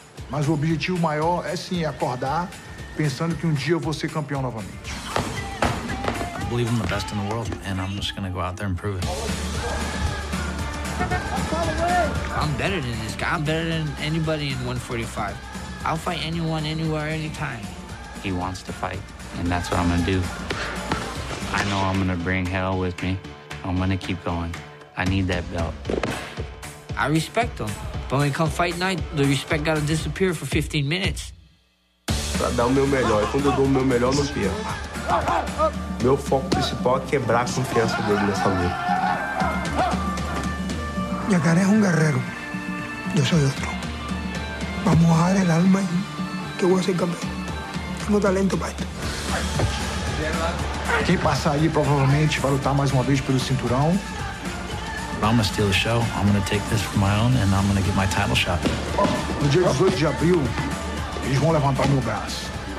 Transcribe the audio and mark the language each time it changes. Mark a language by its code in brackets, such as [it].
[pt] Mas o objetivo maior é sim acordar pensando que dia eu vou ser campeão novamente. [en] I believe I'm the best in the world, and I'm just going to go out there and prove it. I'm better than this guy. I'm better than anybody in 145. I'll fight anyone, anywhere, anytime. He wants to fight, and that's what I'm going to do. I know I'm going to bring hell with me. I'm going to keep going. I need that belt. I respect him, But when it comes fight night, the respect gotta disappear for 15 minutes. [pt] Pra dar o meu melhor. E quando eu dou o meu melhor, não perco. Meu foco principal é quebrar a confiança dele nessa luta. Yacaré é guerreiro. Eu sou outro. [es] Vamos a dar el alma [pt] e que eu vou ser campeão. Tenho talento para isso. Quem passar aí provavelmente vai lutar mais uma vez pelo cinturão. [en] I'm gonna steal the show. I'm gonna take this for my own and I'm gonna get my title shot. [pt] No dia 18 de abril, eles vão levantar meu braço.